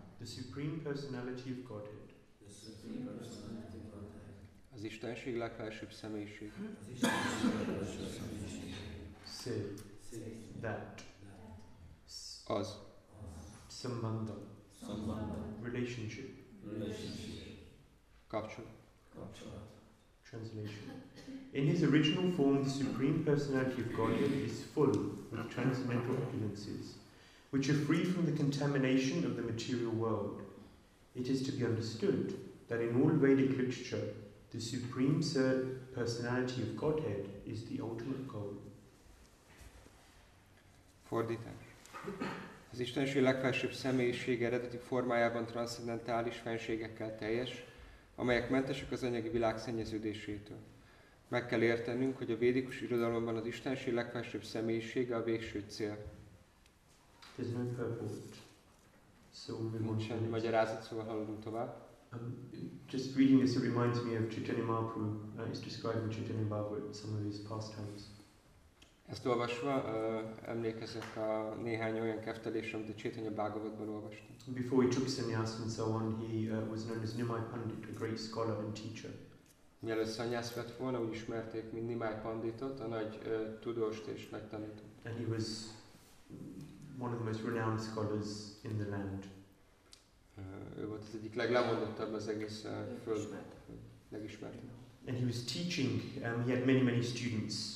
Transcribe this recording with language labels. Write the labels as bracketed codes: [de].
[en] The Supreme Personality of Godhead. The Supreme Personality of Godhead. [hu] Az Istenség legfelsőbb személyiség. Az Istenség legfelsőbb személyiség. [en] Say. Say. That. That. [hu] Az. Az. [sa] Sambandha. Sambandha. [en] Relationship. Relationship. [hu] Kapcsolat. Kapcsolat. [en] Translation. In his original form, the Supreme Personality of Godhead is full of transcendental opulences, which are free from the contamination of the material world. It is to be understood that in all Vedic literature, the Supreme Personality of Godhead is the ultimate goal. [hu] Fordítás. Az Istenség legfelsőbb személyiség eredeti formájában transzcendentális fenségekkel teljes, amelyek mentesek az anyagi világ szennyeződésétől. Meg kell értenünk, hogy a védikus irodalomban az Istenség legfelsőbb személyisége a végső cél. [en] There's no purport. So [hu] nincs semmi magyarázat, szóval haladunk tovább. [en] Just reading this, it reminds me of Chaitanya Mahaprabhu. He's describing Chaitanya Bhagavat, some of his pastimes. [hu] Ezt olvasva emlékezek a néhány olyan keftelésre, amit a Chaitanya Bhagavatban olvastam. [en] Before he took sannyas and so on, he was known as Nimai Pandit, a great scholar and teacher. [hu] Mielőtt sannyas vett volna, úgy ismerték, mint Nimai Panditot, a nagy tudóst és nagy tanítót. [en] And he was one of the most renowned scholars in the land. [hu] Ő volt az egyik leglemondottabb az egész föld. Legismertebb. [en] And he was teaching, he had many, many students.